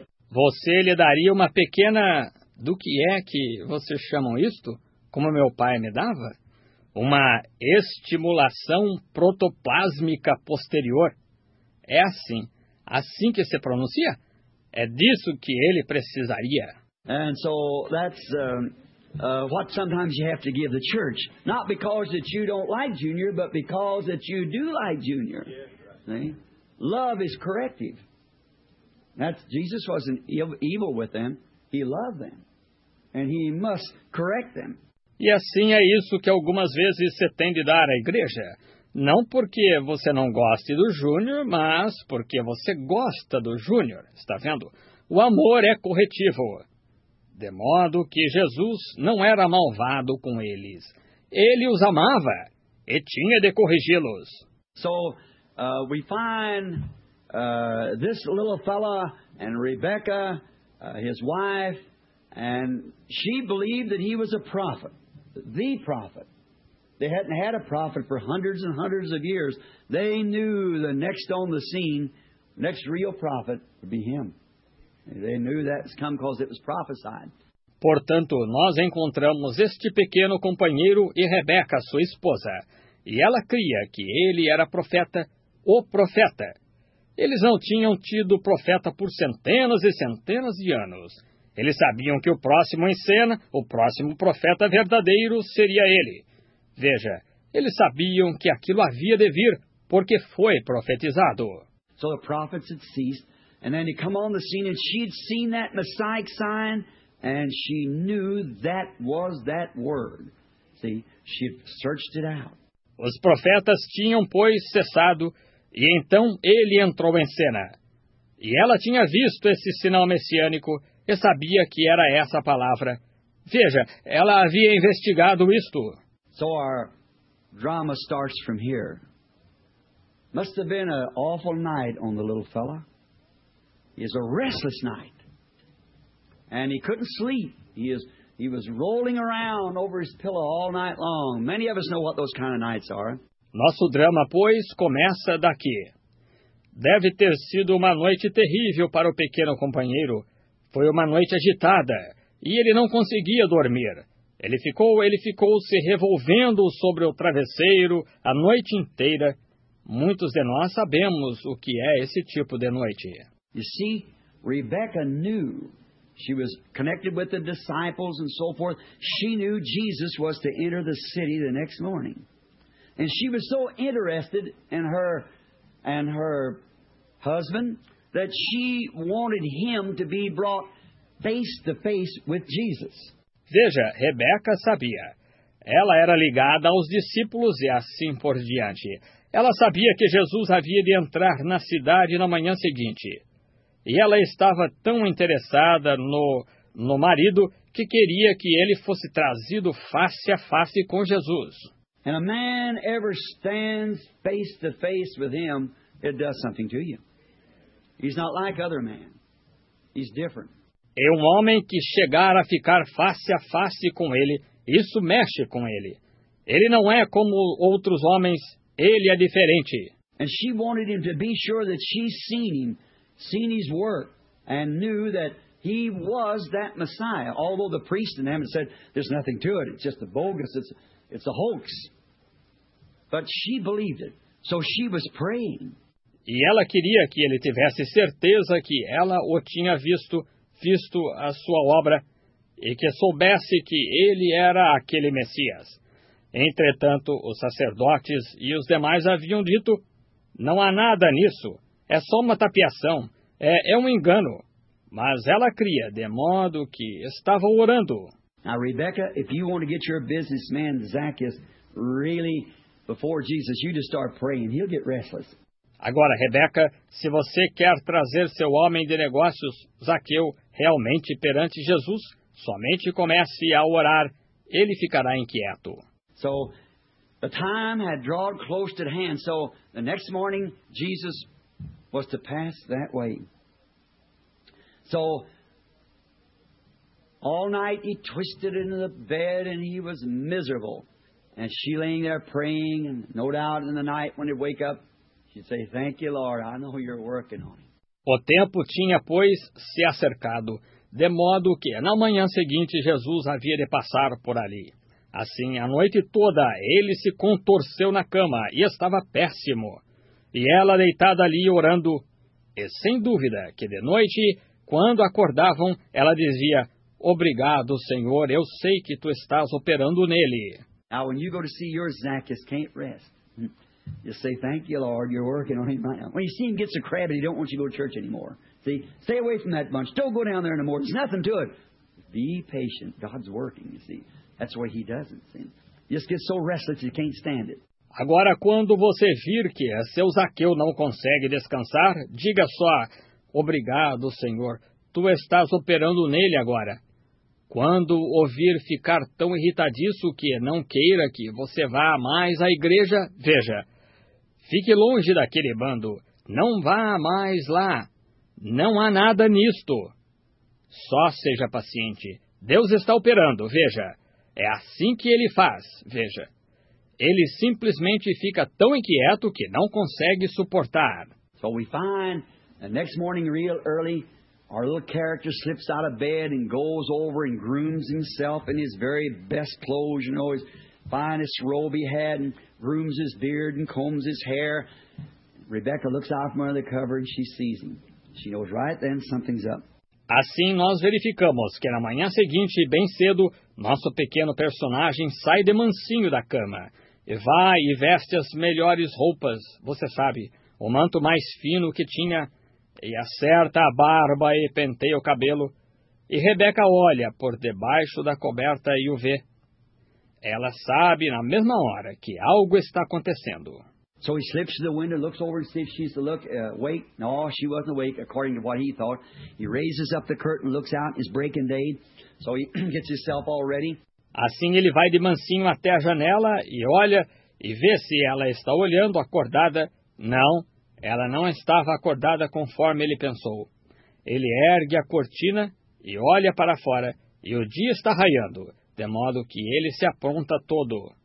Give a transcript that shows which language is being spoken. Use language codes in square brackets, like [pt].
[pt] Você lhe daria uma pequena do que é que vocês chamam isto? Como meu pai me dava? uma estimulação protoplásmica posterior. É assim. Assim que se pronuncia? É disso que ele precisaria. [en] And so that's what sometimes you have to give the church. Not because that you don't like Junior, but because that you do like Junior. See? Love is corrective. That's, Jesus wasn't evil with them. He loved them. And he must correct them. [pt] E assim é isso que algumas vezes se tem de dar à igreja. Não porque você não goste do Júnior, mas porque você gosta do Júnior. Está vendo? O amor é corretivo. De modo que Jesus não era malvado com eles. Ele os amava e tinha de corrigi-los. [en] So, we find this little fella and Rebecca, his wife, and she believed that he was a prophet. The prophet. They hadn't had a prophet for hundreds and hundreds of years. They knew the next on the scene, next real prophet, would be him. They knew that was come because it was prophesied. [pt] Portanto, nós encontramos este pequeno companheiro e Rebeca, sua esposa. E ela cria que ele era profeta, o profeta. Eles não tinham tido profeta por centenas e centenas de anos. Eles sabiam que o próximo em cena, o próximo profeta verdadeiro, seria ele. Veja, eles sabiam que aquilo havia de vir, porque foi profetizado. [en] So the prophets had ceased, and then he come on the scene, and she'd seen that Messiah sign, and she knew that was that word. See, she searched it out. [pt] Os profetas tinham, pois, cessado, e então ele entrou em cena. E ela tinha visto esse sinal messiânico, e sabia que era essa palavra. Veja, ela havia investigado isto. [en] So our drama starts from here. Must have been an awful night on the little fella. It was a restless night. And he couldn't sleep. He was rolling around over his pillow all night long. Many of us know what those kind of nights are. [pt] Nosso drama, pois, começa daqui. Deve ter sido uma noite terrível para o pequeno companheiro. Foi uma noite agitada, e ele não conseguia dormir. Ele ficou se revolvendo sobre o travesseiro a noite inteira. Muitos de nós sabemos o que é esse tipo de noite. [en] You see, Rebecca knew. She was connected with the disciples and so forth. She knew Jesus was to enter the city the next morning. And she was so interested in her husband that she wanted him to be brought face to face with Jesus. [pt] Veja, Rebeca sabia. Ela era ligada aos discípulos e assim por diante. Ela sabia que Jesus havia de entrar na cidade na manhã seguinte. E ela estava tão interessada no marido que queria que ele fosse trazido face a face com Jesus. [en] And a man ever stands face to face with him, it does something to you. He's not like other men. He's different. [pt] E um homem que chegar a ficar face a face com ele, isso mexe com ele. Ele não é como outros homens, ele é diferente. [en] And she wanted him to be sure that she's seen him, seen his work, and knew that he was that Messiah. Although the priest in them said, there's nothing to it, it's just a bogus, it's a hoax. But she believed it, so she was praying. [pt] E ela queria que ele tivesse certeza que ela o tinha visto a sua obra, e que soubesse que ele era aquele Messias. Entretanto, os sacerdotes e os demais haviam dito, não há nada nisso, é só uma tapiação, é um engano. Mas ela cria, de modo que estava orando. [en] Now, Rebecca, if you want to get your businessman, Zacchaeus, really before Jesus, you just start praying, he'll get restless. [pt] Agora, Rebeca, se você quer trazer seu homem de negócios, Zaqueu, realmente perante Jesus, somente comece a orar, ele ficará inquieto. [en] So, the time had drawn close to hand, so the next morning, Jesus was to pass that way. So, all night he twisted into the bed and he was miserable. And she laying there praying, and no doubt in the night when he'd wake up, she'd say, thank you, Lord, I know you're working on it. [pt] O tempo tinha, pois, se acercado, de modo que, na manhã seguinte, Jesus havia de passar por ali. Assim, a noite toda, ele se contorceu na cama e estava péssimo. E ela deitada ali orando. E sem dúvida que de noite, quando acordavam, ela dizia: obrigado, Senhor, eu sei que tu estás operando nele. [en] Now, when you go to see your Zacchaeus, can't rest. You say, thank you, Lord, you're working on him right now. When you see him get so crabby, he don't want you to go to church anymore. See, stay away from that bunch. Don't go down there in the morning. There's nothing to it. Be patient. God's working, you see. That's why he does it. See? You just get so restless you can't stand it. [pt] Agora, quando você vir que seu Zaqueu não consegue descansar, diga só: obrigado, Senhor, tu estás operando nele agora. Quando ouvir ficar tão irritadiço que não queira que você vá mais à igreja, veja, fique longe daquele bando, não vá mais lá, não há nada nisto. Só seja paciente, Deus está operando, veja, é assim que ele faz, veja. Ele simplesmente fica tão inquieto que não consegue suportar. [en] So we find the next morning real early. Our little character slips out of bed and goes over and grooms himself in his very best clothes, you know, his finest robe he had, and grooms his beard and combs his hair. Rebecca looks out from under the cover and she sees him. She knows right then something's up. [pt] Assim nós verificamos que na manhã seguinte, bem cedo, nosso pequeno personagem sai de mansinho da cama e vai e veste as melhores roupas, você sabe, o manto mais fino que tinha. E acerta a barba e penteia o cabelo. E Rebeca olha por debaixo da coberta e o vê. Ela sabe na mesma hora que algo está acontecendo. [en] So he slips to the window, looks over and sees if she's awake. No, she wasn't awake, according to what he thought. He raises up the curtain, looks out, it's breaking day. So he gets himself all ready. [pt] Assim ele vai de mansinho até a janela e olha e vê se ela está olhando acordada. Não. Ela não estava acordada conforme ele pensou. Ele ergue a cortina e olha para fora, e o dia está raiando, de modo que ele se apronta todo.